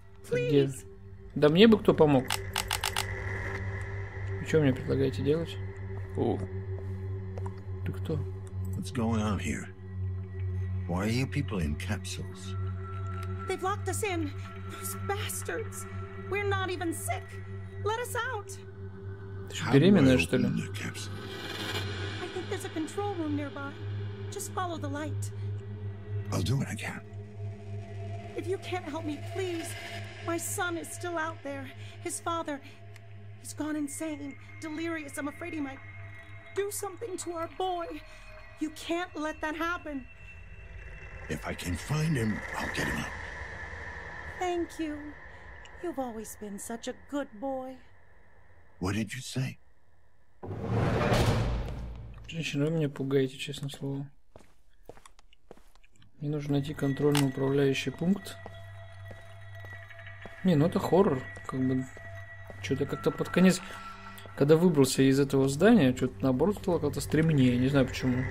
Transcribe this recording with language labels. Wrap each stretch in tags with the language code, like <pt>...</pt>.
<ru>Где? Да мне бы кто помог. Что мне предлагаете делать? Ты кто?</ru> <en>What's going on here? Why are you people in capsules? They've locked us in. Those bastards. We're not even sick. Let us out.</en> <ru>Ты что, беременная, что ли?</ru> <en>I think there's a control room nearby. Just follow the light. I'll do it again. If you can't help me, please. My son is still out there. His father, he's gone insane, delirious. I'm afraid he might do something to our boy. You can't let that happen. If I can find him, I'll get him out. Thank you. You've always been such a good boy. What did you say?</en> <ru>Женщина, вы меня пугаете, честно слово. Мне нужно найти контрольно-управляющий пункт. Не, ну это хоррор. Как бы что-то как-то под конец, когда выбрался из этого здания, что-то наоборот стало как-то стремнее. Не знаю почему.</ru>